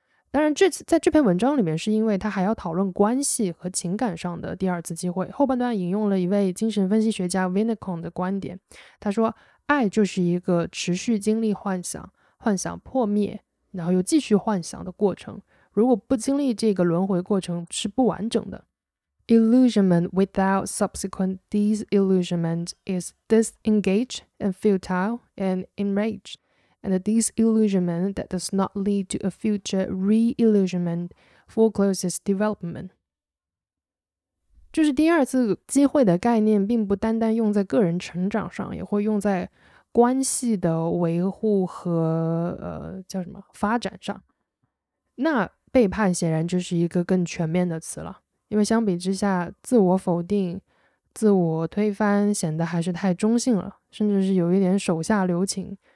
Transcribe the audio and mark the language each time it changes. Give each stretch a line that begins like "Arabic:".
Chinese: 当然在这篇文章里面，是因为它还要讨论关系和情感上的第二次机会。后半段引用了一位精神分析学家 Winnicott 的观点，他说爱就是一个持续经历幻想，幻想破灭，然后又继续幻想的过程，如果不经历这个轮回过程是不完整的。
English: Illusionment without subsequent disillusionment is disengaged and futile and enraged, and a disillusionment that does not lead to a future re-illusionment forecloses development.
Chinese: 就是第二次机会的概念并不单单用在个人成长上，也会用在关系的维护和叫什么发展上。那背叛显然就是一个更全面的词了，因为相比之下，自我否定、自我推翻显得还是太中性了，甚至是有一点手下留情。